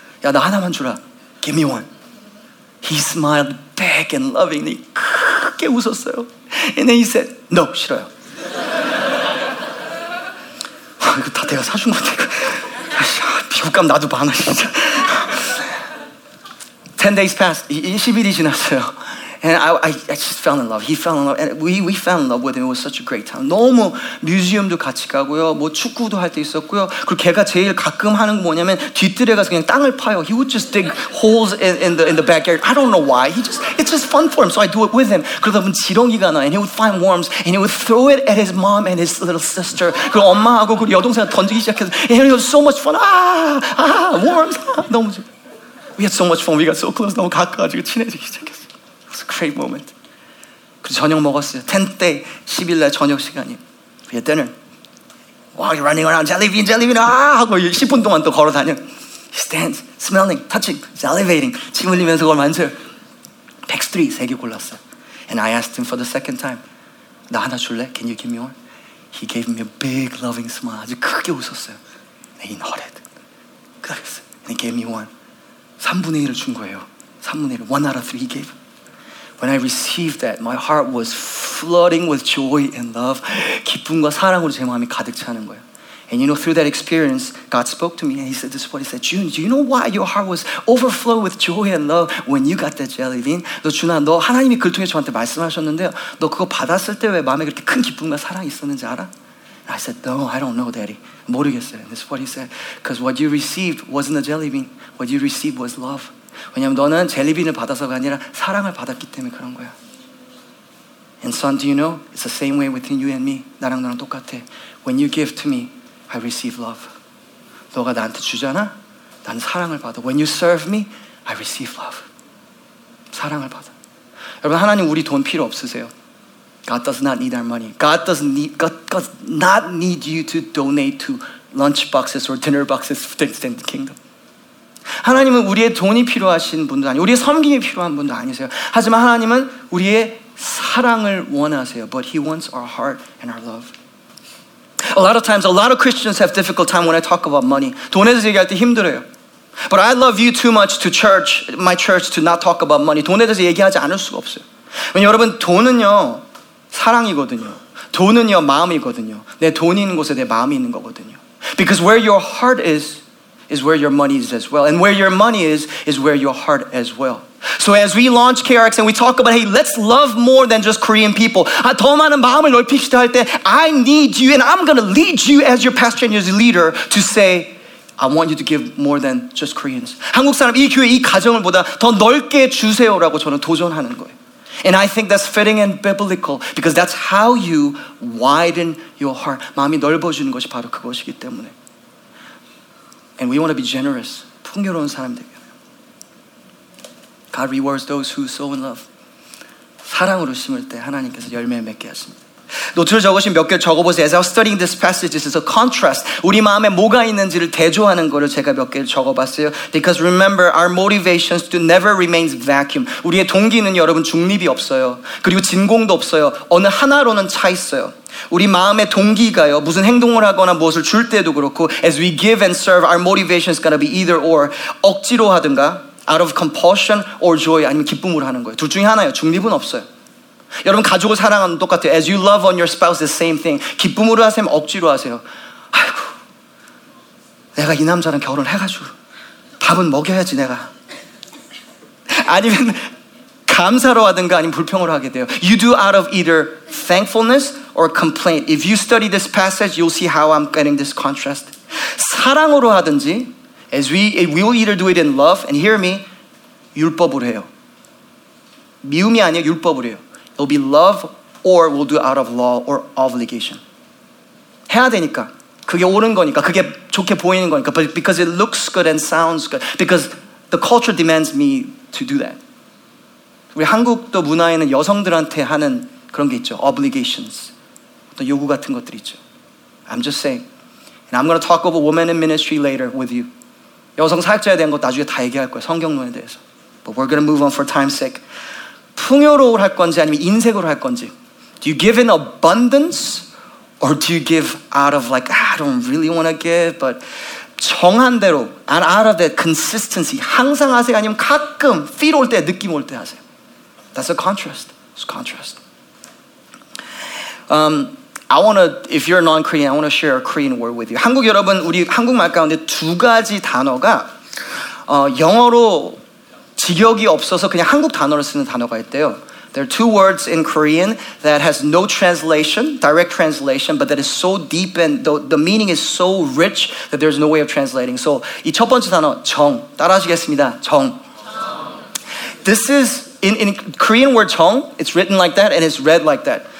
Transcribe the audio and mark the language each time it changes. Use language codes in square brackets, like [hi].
[ko] 야, 나 하나만 주라. [en] Give me one. He smiled back and lovingly. [ko] 크게 웃었어요. [en] And then he said, no, [ko] 싫어요. 아, 이거 다 내가 사준 건데. 아, 미국감 나도 많아, 진짜. [en] 10 days passed. [ko] 10일이 지났어요. [en] And I just fell in love. He fell in love. And we fell in love with him. It was such a great time. [ko] 너무 뮤지엄도 같이 가고요. 뭐 축구도 할 때 있었고요. 그리고 걔가 제일 가끔 하는 게 뭐냐면 뒤뜰에 가서 그냥 땅을 파요. [en] He would just dig holes in the backyard. I don't know why. It's just fun for him. So I do it with him. [ko] 그러다 보면 지렁이가 나. [en] And he would find worms. And he would throw it at his mom and his little sister. [ko] 그리고 엄마하고 그리고 여동생 던지기 시작해서. [en] And it was so much fun. Worms. [ko] 너무 좋아. [en] We had so much fun. We got so close. [ko] 너무 가까워지고 친해지기 시작했어. [en] It's a great moment. [ko] 그래서 저녁 먹었어요. 10대 10일날 저녁 시간이. 그 때는 [en] while you're running around, jelly bean, [ko] jelly bean, 아 하고 10분 동안 또 걸어 다녀. [en] He stands, smelling, touching, salivating. [ko] 침 흘리면서 그걸 만져. [en] Picks three, [ko] 세 개 골랐어. [en] And I asked him for the second time. [ko] 나 하나 줄래? [en] Can you give me one? He gave me a big, loving smile. [ko] 아주 크게 웃었어요. [en] And he nodded. And he gave me one. [ko] 3분의 1을 준 거예요. 3분의 1. [en] One out of three, he gave. When I received that, my heart was flooding with joy and love. [ko] 기쁨과 사랑으로 제 마음이 가득 차는 거예요. [en] And you know, through that experience, God spoke to me and he said, this is what he said, June, do you know why your heart was overflowed with joy and love when you got that jelly bean? [ko] 너 준아, 너 하나님이 글 통해 저한테 말씀하셨는데요. 너 그거 받았을 때 왜 마음에 그렇게 큰 기쁨과 사랑이 있었는지 알아? [en] And I said, no, I don't know, daddy. [ko] 모르겠어요. [en] And this is what he said. Because what you received wasn't a jelly bean. What you received was love. [ko] 왜냐하면 너는 젤리빈을 받아서가 아니라 사랑을 받았기 때문에 그런 거야. [en] And son, do you know? It's the same way within you and me. [ko] 나랑 너랑 똑같아. [en] When you give to me, I receive love. [ko] 너가 나한테 주잖아? 난 사랑을 받아. [en] When you serve me, I receive love. [ko] 사랑을 받아. 여러분, 하나님 우리 돈 필요 없으세요. [en] God does not need our money. God does not need you to donate to lunch boxes or dinner boxes to extend the kingdom. [ko] 하나님은 우리의 돈이 필요하신 분도 아니고 우리의 섬김이 필요한 분도 아니세요. 하지만 하나님은 우리의 사랑을 원하세요. [en] But he wants our heart and our love. A lot of times, a lot of Christians have difficult time when I talk about money. [ko] 돈에 대해서 얘기할 때 힘들어요. [en] But I love you too much to church, my church, to not talk about money. [ko] 돈에 대해서 얘기하지 않을 수가 없어요. 왜냐면 여러분, 돈은요, 사랑이거든요. 돈은요, 마음이거든요. 내 돈이 있는 곳에 내 마음이 있는 거거든요. [en] Because where your heart is where your money is as well. And where your money is where your heart as well. So as we launch KRX and we talk about, hey, let's love more than just Korean people. [ko] 아, 더 많은 마음을 넓히시다 할 때, [en] I need you and I'm going to lead you as your pastor and your leader to say, I want you to give more than just Koreans. [ko] 한국 사람 이 교회 이 가정을보다 더 넓게 주세요라고 저는 도전하는 거예요. [en] And I think that's fitting and biblical because that's how you widen your heart. [ko] 마음이 넓어지는 것이 바로 그것이기 때문에. [en] And we want to be generous, [ko] 풍요로운 사람들. [en] God rewards those who sow in love. [ko] 사랑으로 심을 때 하나님께서 열매 맺게 하십니다. 노트를 적으신 몇 개 적어보세요. [en] As I was studying this passage, this is a contrast. [ko] 우리 마음에 뭐가 있는지를 대조하는 거를 제가 몇 개를 적어봤어요. [en] Because remember, our motivations do never remain vacuum. [ko] 우리의 동기는 여러분 중립이 없어요. 그리고 진공도 없어요. 어느 하나로는 차 있어요. 우리 마음의 동기가요. 무슨 행동을 하거나 무엇을 줄 때도 그렇고 [en] As we give and serve, our motivation is going to be either or. [ko] 억지로 하든가 [en] out of compulsion or joy, [ko] 아니면 기쁨으로 하는 거예요. 둘 중에 하나예요. 중립은 없어요. 여러분 가족을 사랑하는 똑같아요. [en] As you love on your spouse, the same thing. [ko] 기쁨으로 하세요, 억지로 하세요. 아이고, 내가 이 남자랑 결혼을 해가지고 밥은 먹여야지 내가. 아니면 감사로 하든가 아니면 불평으로 하게 돼요. [en] You do out of either thankfulness or complaint. If you study this passage, you'll see how I'm getting this contrast. [ko] 사랑으로 하든지, [en] as we will either do it in love, and hear me, [ko] 율법으로 해요. 미움이 아니에요, 율법으로 해요. [en] It'll be love or we'll do out of law or obligation. [ko] 해야 되니까, 그게 옳은 거니까, 그게 좋게 보이는 거니까, [en] but because it looks good and sounds good, because the culture demands me to do that. [ko] 우리 한국도 문화에는 여성들한테 하는 그런 게 있죠. [en] Obligations. [ko] 또 요구 같은 것들이 있죠. [en] I'm just saying. And I'm going to talk about women in ministry later with you. [ko] 여성 사역자에 대한 것도 나중에 다 얘기할 거예요. 성경론에 대해서. [en] But we're going to move on for time's sake. [ko] 풍요로울 할 건지 아니면 인색으로 할 건지. [en] Do you give in abundance? Or do you give out of like, I don't really want to give, but [ko] 정한 대로, [en] and out of the consistency. [ko] 항상 하세요? 아니면 가끔, feel 올 때, 느낌 올 때 하세요? [en] That's a contrast. It's a contrast. If you're non-Korean, I want to share a Korean word with you. [ko] 한국 여러분, 우리 한국말 가운데 두 가지 단어가 영어로 직역이 없어서 그냥 한국 단어를 쓰는 단어가 있대요. [en] There are two words in Korean that has no translation, direct translation, but that is so deep and the meaning is so rich that there's no way of translating. [ko] So 이 첫 번째 단어, 정. 따라하시겠습니다. 정. [en] This is In Korean word 정, it's written like that and it's read like that.